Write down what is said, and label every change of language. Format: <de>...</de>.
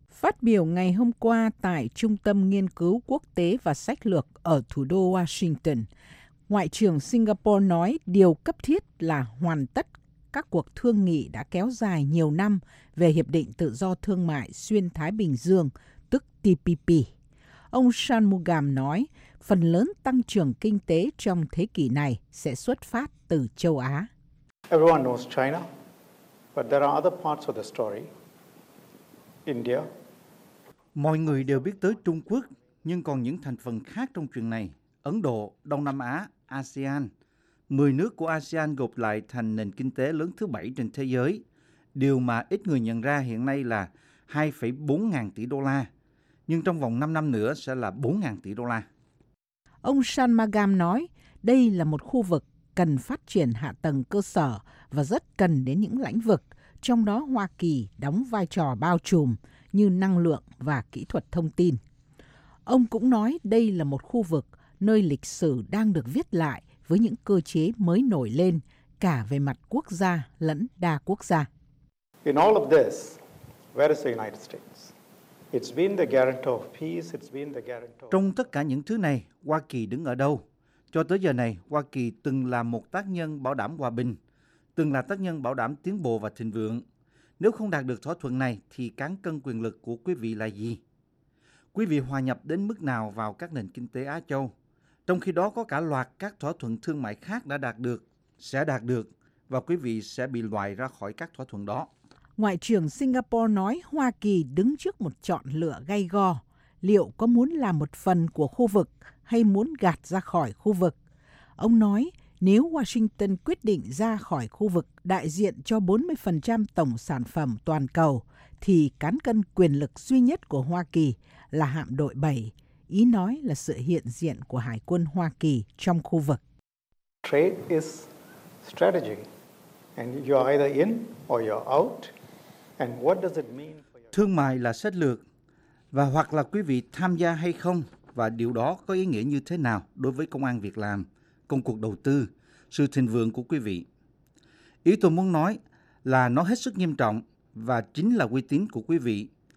<vi>Phát biểu ngày hôm qua tại Trung tâm Nghiên cứu Quốc tế và Sách lược ở thủ đô Washington, Ngoại trưởng Singapore nói điều cấp thiết là hoàn tất các cuộc thương nghị đã kéo dài nhiều năm về Hiệp định Tự do Thương mại xuyên Thái Bình Dương, tức TPP. Ông Shanmugam nói phần lớn tăng trưởng kinh tế trong thế kỷ này sẽ xuất phát từ châu Á.</vi> <en>Everyone knows China, but there are other parts of the story. India.</en> <vi>Mọi người đều biết tới Trung Quốc, nhưng còn những thành phần khác trong chuyện này: Ấn Độ, Đông Nam Á, ASEAN. 10 nước của ASEAN gộp lại thành nền kinh tế lớn thứ 7 trên thế giới. Điều mà ít người nhận ra hiện nay là 2,4 ngàn tỷ đô la, nhưng trong vòng 5 năm nữa sẽ là 4 ngàn tỷ đô la. Ông Shanmugam nói, đây là một khu vực cần phát triển hạ tầng cơ sở và rất cần đến những lĩnh vực, trong đó Hoa Kỳ đóng vai trò bao trùm như năng lượng và kỹ thuật thông tin. Ông cũng nói đây là một khu vực nơi lịch sử đang được viết lại với những cơ chế mới nổi lên cả về mặt quốc gia lẫn đa quốc gia.</vi> <en>In all of this, where is the United States? It's been the guarantor of peace, it's been the guarantor.</en> <vi>Trong tất cả những thứ này, Hoa Kỳ đứng ở đâu? Cho tới giờ này, Hoa Kỳ từng là một tác nhân bảo đảm hòa bình, từng là tác nhân bảo đảm tiến bộ và thịnh vượng. Nếu không đạt được thỏa thuận này, thì cán cân quyền lực của quý vị là gì? Quý vị hòa nhập đến mức nào vào các nền kinh tế Á Châu? Trong khi đó có cả loạt các thỏa thuận thương mại khác đã đạt được, sẽ đạt được, và quý vị sẽ bị loại ra khỏi các thỏa thuận đó. Ngoại trưởng Singapore nói Hoa Kỳ đứng trước một chọn lựa gay go. Liệu có muốn làm một phần của khu vực hay muốn gạt ra khỏi khu vực? Ông nói nếu Washington quyết định ra khỏi khu vực đại diện cho 40% tổng sản phẩm toàn cầu, thì cán cân quyền lực duy nhất của Hoa Kỳ là hạm đội 7, ý nói là sự hiện diện của Hải quân Hoa Kỳ trong khu vực.</vi> <en>Trade is strategy, and you are either in or you are out. And what does it mean for your...</en> <vi>Thương mại là sách lược, và hoặc là quý vị tham gia hay không, và điều đó có ý nghĩa như thế nào đối với công ăn việc làm, công cuộc đầu tư, sự thịnh vượng của quý vị. Ý tôi muốn nói là nó hết sức nghiêm trọng và chính là uy tín của quý vị.</vi>